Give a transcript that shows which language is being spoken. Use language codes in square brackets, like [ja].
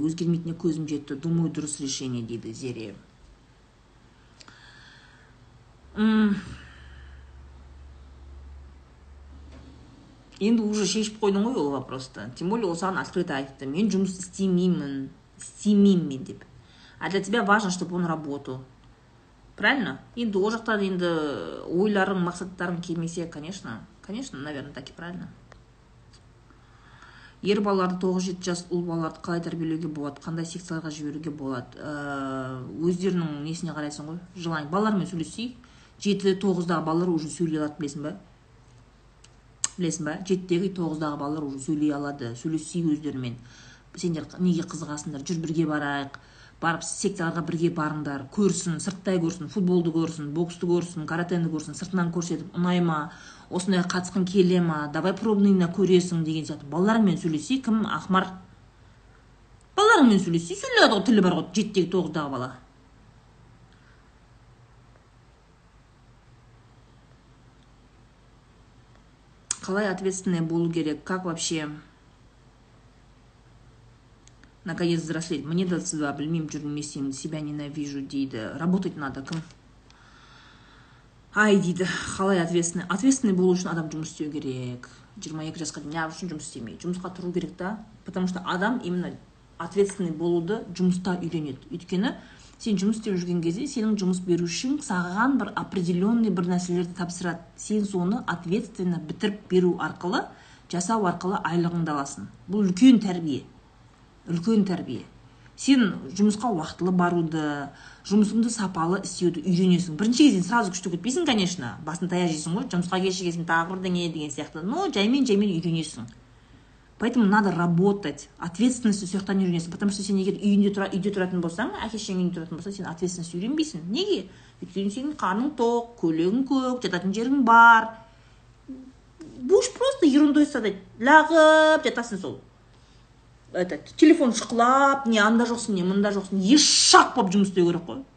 [kk] Өзгермейтіне көзім жетті. Думаю, дұрыс решение дейді зере. Енді уже шешіп қойдың ғой ол вопросты. [ru] Тем более, [kk] осыған открыто айтты. Мен жұмыс істемеймін. Істемеймін мен деп. [ru] А для тебя важно, чтобы он работал. Правильно? [kk] Енді ол жақтан енді ойларың, мақсаттарың келмесе, [ru] конечно, наверное, так и правильно. [kk] Ер балаларды 9-7 жас ұл балаларды қалай тәрбиелеуге болады, қандай секцияларға жіберуге болады, өздерінің несіне қарайсың ғой. Жылай балалармен сөйлесей, 7-9-дағы балалар уже сөйлей алады, білесің ба? Білесің ба? 7-9-дағы балалар уже сөйлей алады, сөйлесей өздерімен. Сендер неге қызығасыңдар, жүр бірге барайық, барып секцияларға бірге барыңдар, көрсін, сырттай көрсін, футболды көрсін, боксты көрсін, каратэні көрсін, сыртынан көрсетіп ұнай ма, осындай қатысқын келе ма, давай пробныйына көресің деген сияқты. Балалармен сөйлесей, кім ақмар? Балалармен сөйлесей, сөйлейді ғой, тілі бар ғой, 7-9-дағы бала. Қалай ответственный болу керек, [ru] как вообще наконец взрослеть? [kk] Мне 22, білмеймін, жүрмін, не істеймін, [ru] себя ненавижу [kk] дейді. [ru] Работать надо, [kk] кім? Ай дейді, қалай ответственный? Ответственный болу үшін адам жұмыс істеу керек. 22 жасқа дейін неғып үшін жұмыс істемей? Жұмысқа тұру керек та, потому что адам именно ответственный болуды жұмыста үйренеді. Өйткені сен жұмыс істеп жүрген кезде сенің жұмыс берушің саған бір определенный бір нәрселерді тапсырады. Сен соны ответственно бітіріп беру арқылы, жасау арқылы айлығыңды аласың. Бұл үлкен тәрбие. Үлкен тәрбие. Сен жұмысқа уақытылы баруды, жұмысыңды сапалы істеуді үйренесің. Бірінші кезден сразу күшті кетпейсің, конечно. Басын таяқ жейсің ғой, жұмысқа кешігесің, тағы бірдеңе деген сияқты. Но жаймен-жаймен үйренесің. [ru] Поэтому надо работать, ответственность [kk] сол жақтан үйренесің. [ru] Потому что [kk] сен егер үйде тұратын болсаң, әке-шешең үйде тұратын болса, сен ответственность үйренбейсің. Неге? Өйткені сенің қарның тоқ, көлігің көк, жататын жерің бар. Бұш просто ерундой садай, лағып жатасың сол. Телефон шықылап, не анда жоқсың, не мұнда жоқсың, ешақ боп жұмыс істеу керек қой.